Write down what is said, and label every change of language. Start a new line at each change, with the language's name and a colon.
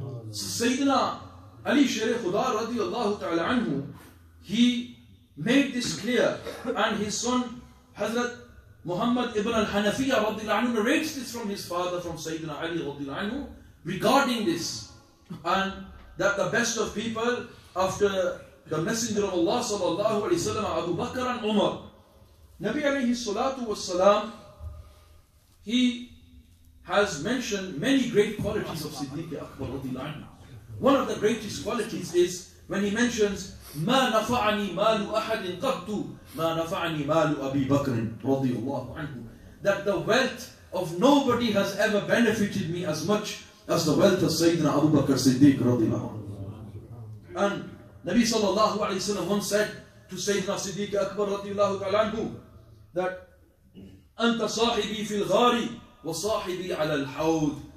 English: So Sayyidina Ali Shere Khuda radiallahu ta'ala anhu, he made this clear, and his son Hazrat Muhammad ibn al-Hanafiyya radiallahu anhu narrates this from his father, from Sayyidina Ali radiallahu anhu, regarding this, and that the best of people after The Messenger of Allah sallallahu alayhi wa sallam, Abu Bakr and Umar. Nabi alayhi salatu wa salam, he has mentioned many great qualities of Siddiq Akbar radiallahu anhu.
Arabic: One of the greatest qualities is when he mentions, مَا نَفَعَنِي مَالُ أَحَدٍ قَبْتُ مَا نَفَعَنِي مَالُ أَبِي بَكْرٍ رَضِيُ اللَّهُ عَنْهُ.
English: That the wealth of nobody has ever benefited me as much as the wealth of Sayyidina Abu Bakr Siddiq radiallahu anhu. And Nabi sallallahu alayhi wa sallam once said to Sayyidina Siddiq Akbar radiallahu ta'ala anhu, that
Arabic: أَنْتَ صَاحِبِي فِي الْغَارِ وَصَاحِبِي عَلَى الْحَوْدِ.